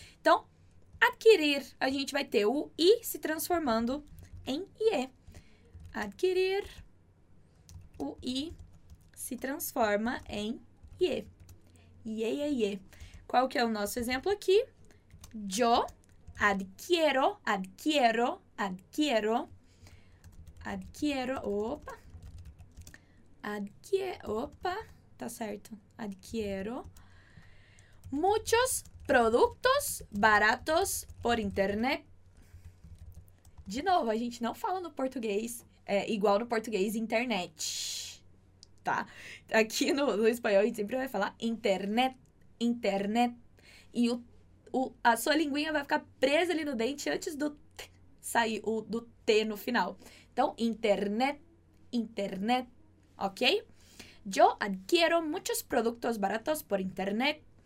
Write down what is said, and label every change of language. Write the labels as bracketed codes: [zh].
[pt] Então, adquirir, a gente vai ter o I se transformando em IE. Adquirir. O I se transforma em IE. IE, IE, IE. Qual que é o nosso exemplo aqui? [es] Yo adquiero, adquiero, adquiero, adquiero, opa. Adquiero, opa, tá certo. Adquiero muchos productos baratos por internet. [pt] De novo, a gente não fala no português, é igual no português internet. Tá. Aqui no espanhol a gente sempre vai falar internet, internet. E a sua linguinha vai ficar presa ali no dente antes do t sair o do T no final. Então, internet, internet, ok? [es] Yo adquiero muchos productos baratos por internet.